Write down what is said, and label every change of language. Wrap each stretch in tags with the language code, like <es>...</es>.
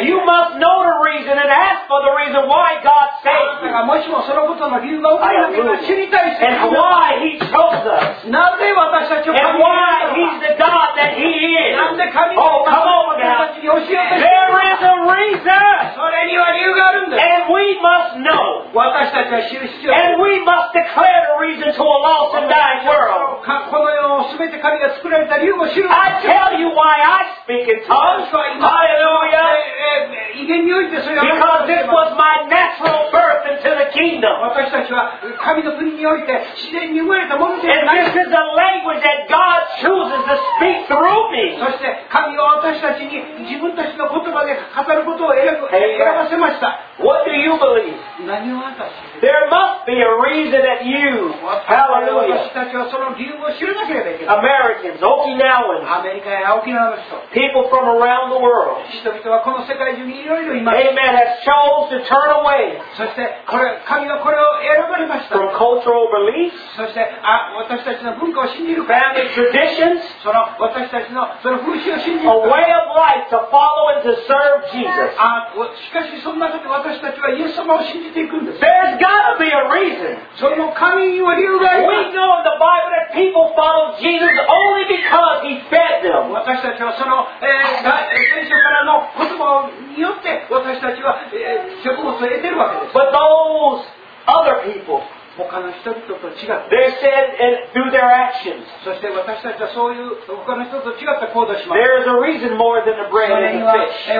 <en>You must know the reason and ask for the reason why God saved you.</en> <ja>もしもそのことの理由が分からなければ知りたいし。</ja> <en>And why He chose us.</en> <ja>なぜ私たちを神に選んだのか。</ja> <en>And why He's the God that He is.</en> <ja>なんで神を選んだのか。</ja> <en>Oh, come on, now. There is a reason.</en> <ja>それには理由があるんです。</ja> <en>And we must know.</en> <ja>私たちは知る必要がある。</ja> <en>And we must declare the reason to a lost and dying world.</en> <ja>この世を全て神が作られた理由を知る。</ja> <en>I tell you why I speak in tongues. Hallelujah. Because this was my natural birth into the kingdom.</en> <ja>私たちは神の国において自然に生まれたものではない。</ja> <en>And this is the language that God chooses to speak through me.</en> <ja>そして神は私たちに自分たちの言葉で語ることを選ばせました。</ja> <en>What do you believe? There must be a reason that you, hallelujah, Americans, Okinawans, people from around the world, amen, has chosen to turn away from cultural beliefs, family traditions, a way of life to follow and to serve Jesus. There's got to be a reason.</en> <ja>それも神には理由がある。</ja> <en>We know in the Bible that people follow Jesus only because He fed them.</en> <ja>私たちはその聖書からの言葉によって私たちは食物を得てるわけです。</ja> <en>But those other people,</en> <ja>他の人々と違った。</ja> <en>They said and through their actions.</en> <ja>そして私たちはそういう他の人と違った行動します。</ja> <en>There is a reason more than the bread and the fish.</en>